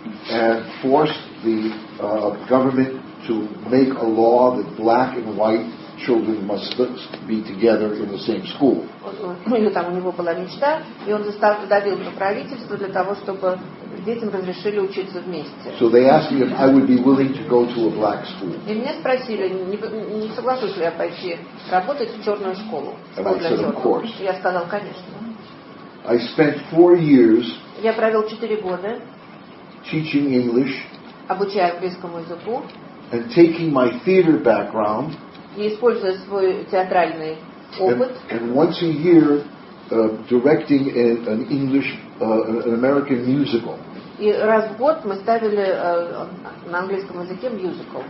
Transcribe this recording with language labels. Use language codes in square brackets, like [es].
[en] And forced the government to make a law that black and white children must be together in the same school. [ru] Там у него была мечта, и он застал подавил правительство для того, чтобы детям разрешили учиться вместе. [en] So they asked me if I would be willing to go to a black school. [ru] И меня спросили, не соглашусь ли я пойти работать в черную школу. [en] And I said, of course. [ru] Я сказал, конечно. [en] I spent 4 years. [ru] Я провел 4 года. [en] Teaching English, [ru] обучая английскому языку, [en] and taking my theater background, [ru] и используя свой театральный опыт, [en] and once a year directing an English, an American musical. [ru] И раз в год мы ставили на английском языке мюзикл.